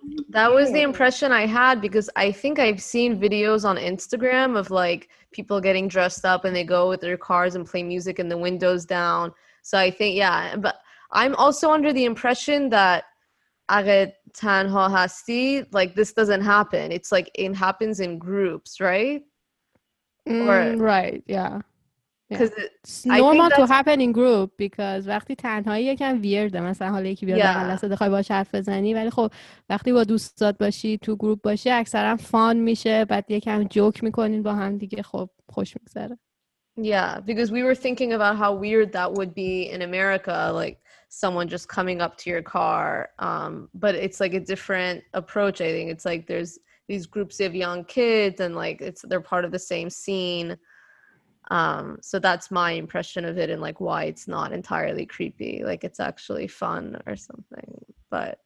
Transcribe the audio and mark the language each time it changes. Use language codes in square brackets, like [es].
[en] That was the impression I had because I think I've seen videos on Instagram of like people getting dressed up and they go with their cars and play music and the windows down. So I think, yeah, but I'm also under the impression that [fa] اگه تنها هستی, [en] like this doesn't happen. It's like it happens in groups, right? Right, yeah. Because it's normal to happen in group because [fa] وقتی تنهایی یکم ویرده، مثلا حالا یکی بیاد در لحظه بخوای باهاش حرف بزنی، ولی خب وقتی با دوستات باشی تو گروپ باشی اکثرا فان میشه، بعد یکم جوک میکنین با هم دیگه، خب خوش میگذره. [en] Yeah, because we were thinking about how weird that would be in America, like someone just coming up to your car. But it's like a different approach, I think. It's like there's these groups of young kids and like it's they're part of the same scene. So that's my impression of it and like why it's not entirely creepy, like it's actually fun or something, but